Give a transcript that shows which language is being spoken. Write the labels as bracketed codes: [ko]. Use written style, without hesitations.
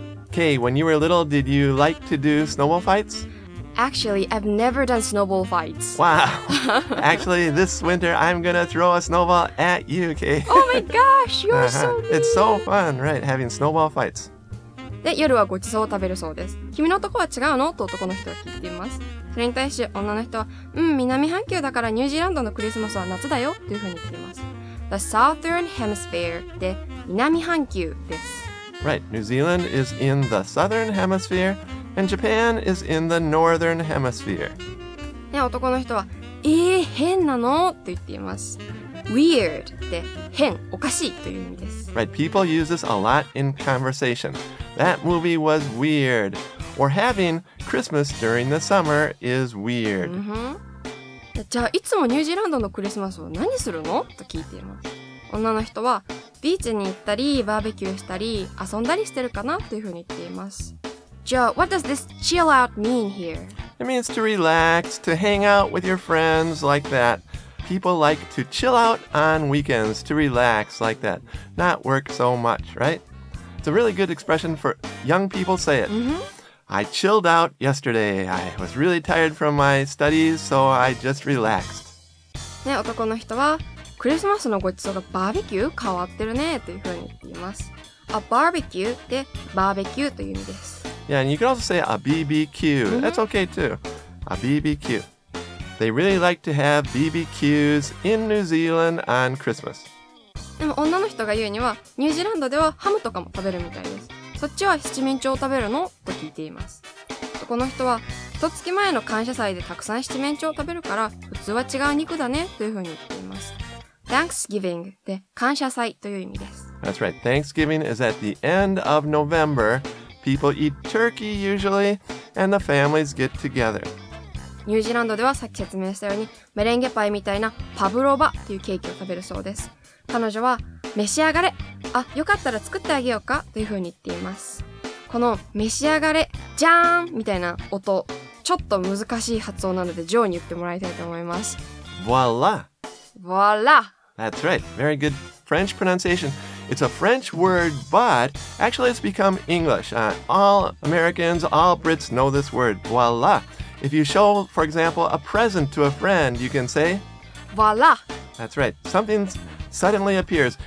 [en] Kay, when you were little, did you like to do snowball fights? Actually, I've never done snowball fights. Wow! Actually, this winter, I'm gonna throw a snowball at you, Kay. Oh my gosh, you're so mean! It's so fun, right, having snowball fights. [ja] で、夜はごちそうを食べるそうです。君の男は違うの?と男の人は聞いています。それに対し女の人は、うん、南半球だからニュージーランドのクリスマスは夏だよというふうに言っています。 [en] The Southern Hemisphere [ja] で南半球です。 [en] Right, New Zealand is in the Southern Hemisphere and Japan is in the Northern Hemisphere. [ja] で、男の人は、変なの?と言っています。 [en] Weird [ja] で変、おかしいという意味です。 [en] Right, people use this a lot in conversation. That movie was weird. Or having Christmas during the summer is weird. じゃあいつもニュージーランドのクリスマスを何するの?と聞いています。女の人はビーチに行ったり、バーベキューしたり、遊んだりしてるかな? というふうに言っています。 [ja] じゃあ、 [en] what does this chill out mean here? It means to relax, to hang out with your friends like that. People like to chill out on weekends, to relax like that. Not work so much, right? It's a really good expression for young people say it. I chilled out yesterday. I was really tired from my studies, so I just relaxed. [ja] ね、男の人は、クリスマスのごちそうがバーベキュー変わってるねというふうに言っています。 [en] A barbecue [ja] ってバーベキューという意味です。 [en] Yeah, and you can also say a BBQ. That's okay too. A BBQ. They really like to have BBQs in New Zealand on Christmas. [ja] でも女の人が言うには、ニュージーランドではハムとかも食べるみたいです。そっちは七面鳥を食べるの?と聞いています。この人は、一月前の感謝祭でたくさん七面鳥を食べるから、普通は違う肉だね、というふうに言っています。 [en] Thanksgiving [ja] で感謝祭という意味です。 [en] That's right. Thanksgiving is at the end of November. People eat turkey usually, and the families get together. [ja] ニュージーランドではさっき説明したように、メレンゲパイみたいなパブロバというケーキを食べるそうです。彼女は、召し上がれあ、よかったら作ってあげようかというふうに言っています。この召し上がれじゃーんみたいな音、ちょっと難しい発音なのでジョーに言ってもらいたいと思います。 [en] Voila! Voila! That's right, very good French pronunciation. It's a French word, but actually it's become English. All Americans, all Brits know this word, voila. If you show, for example, a present to a friend, you can say voila. That's right, something suddenly appears.